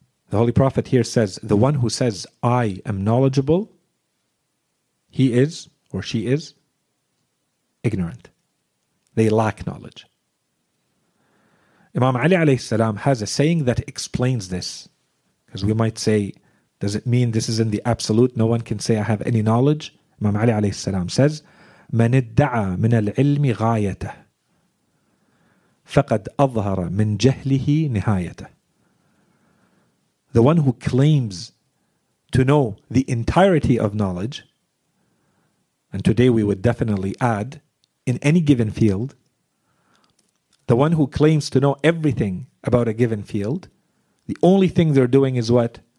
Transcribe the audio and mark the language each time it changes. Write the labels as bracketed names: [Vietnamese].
[English] The Holy Prophet here says, the one who says, I am knowledgeable, he is or she is ignorant. They lack knowledge. Imam Ali alayhi salam has a saying that explains this. Because we might say, does it mean this is in the absolute? No one can say I have any knowledge. Imam Ali alayhi salam says, [Arabic] "من ادعى من العلم غايته فقد أظهر من جهله نهايته." [English] The one who claims to know the entirety of knowledge, and today we would definitely add in any given field, the one who claims to know everything about a given field, the only thing they're doing is what?